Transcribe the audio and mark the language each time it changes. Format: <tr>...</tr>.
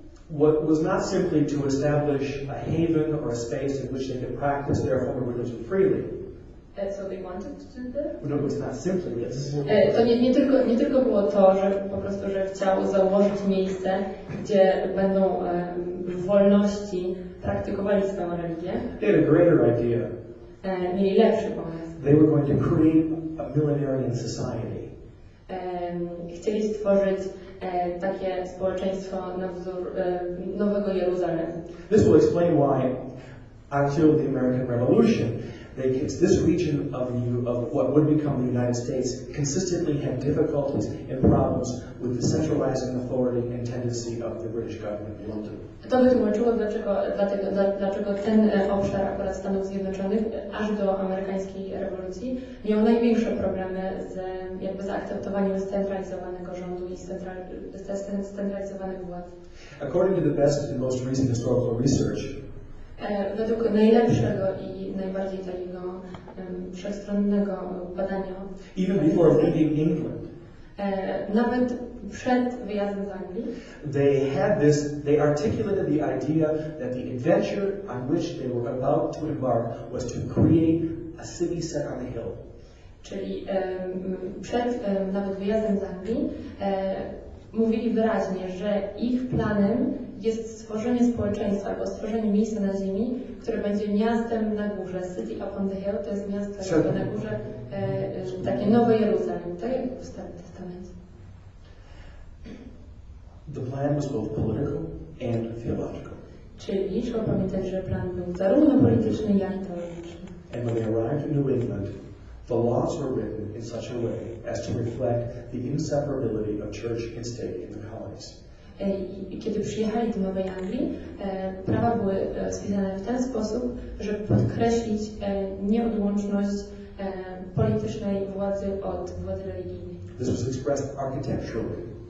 <en>What was not simply to establish a haven or a space in which they could practice their form of religion freely. That's what they wanted to do. No, it was not simply. Yes.</en> <pl>To nie tylko było to, że po prostu, że chciał założyć miejsce, gdzie będą w wolności praktykowali swoją religię.</pl> <en>They had a greater idea.</en> <pl>Mieli lepszy pomysł.</pl> <en>They were going to create a millenarian society.</en> <pl>Chcieli stworzyć takie społeczeństwo na wzór Nowego Jeruzalem.</pl> <en>This will explain why until the American Revolution, this region of what would become the United States consistently had difficulties and problems with the centralizing authority and tendency of the British government in London.</en> <pl>To by tłumaczyło, dlaczego ten obszar akurat Stanów Zjednoczonych aż do amerykańskiej rewolucji miał największe problemy z zaakceptowaniem scentralizowanego rządu i scentralizowanych władz.</pl> <en>According to the best and most recent historical research,</en> <pl>według najlepszego i najbardziej takiego wszechstronnego badania,</pl> <en>even before leaving England,</en> <pl>nawet przed wyjazdem z Anglii,</pl> <en>they articulated the idea that the adventure on which they were about to embark was to create a city set on a hill.</en> <pl>Czyli przed nawet wyjazdem z Anglii mówili wyraźnie, że ich planem jest stworzenie społeczeństwa albo stworzenie miejsca na ziemi, które będzie miastem na górze.</pl> <en>City upon the hill</en> <pl>to jest miasto na górze, takie nowe Jeruzalem, tak jak w Starym Testamencie.</pl> <en>The plan was both political and theological.</en> <pl>Czyli trzeba pamiętać, że plan był zarówno polityczny, jak i teologiczny.</pl> <en>And when they arrived in New England, the laws were written in such a way as to reflect the inseparability of church and state in the colonies.</en> <pl>Kiedy przyjechali do Nowej Anglii, prawa były spisane w ten sposób, żeby podkreślić nieodłączność politycznej władzy od władzy religijnej.</pl> <en>This was expressed architecturally.</en>